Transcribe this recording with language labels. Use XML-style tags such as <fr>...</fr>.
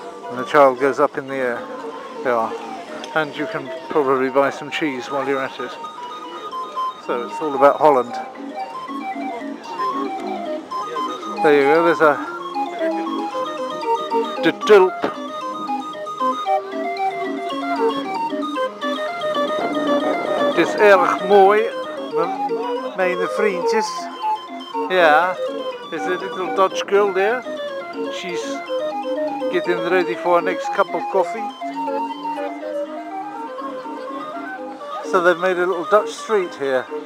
<en>And the child goes up in the air. They are. And you can probably buy some cheese while you're at it. So it's all about Holland. There you go, there's a De Tulp.</en> <nl>Het is erg mooi, mijn vriendjes.</nl> <en>Yeah, there's a little Dutch girl there. She's getting ready for her next cup of coffee. So they've made a little Dutch street here.</en>